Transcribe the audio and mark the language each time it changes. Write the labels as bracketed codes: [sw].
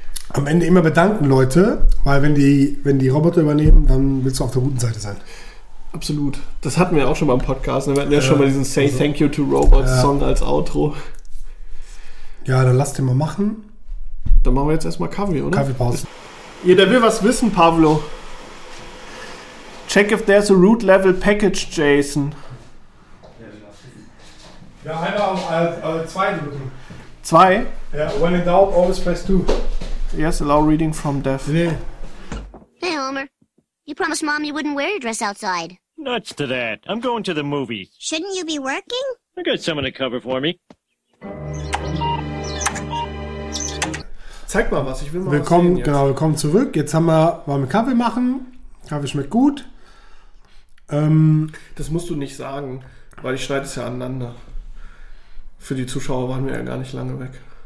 [de] Am Ende immer bedanken, Leute, weil wenn die Roboter übernehmen, dann willst du auf der guten Seite sein. Absolut. Das hatten wir auch schon mal im Podcast. Wir hatten ja schon mal diesen Say Thank You to Robots-Song als Outro. Ja, dann lass den mal machen. Dann machen wir jetzt erstmal Kaffee, oder? Kaffeepause. Jeder will was wissen, Pavlo. [en] Check if there's a root level package, Jason. [de] Ja, einfach auf 2 drücken. 2? [en] Ja, when in doubt, always press 2. Yes, allow reading from dev. Hey, Homer. You promised Mom you wouldn't wear your dress outside. Nuts to that. I'm going to the movies. Shouldn't you be working? I got someone to cover for me. [de] Zeig mal was, ich will mal willkommen, was sehen. Genau, willkommen zurück. Jetzt haben wir warme Kaffee machen. Kaffee schmeckt gut. Das musst du nicht sagen, weil ich schneide es ja aneinander. Für die Zuschauer waren wir ja gar nicht lange weg.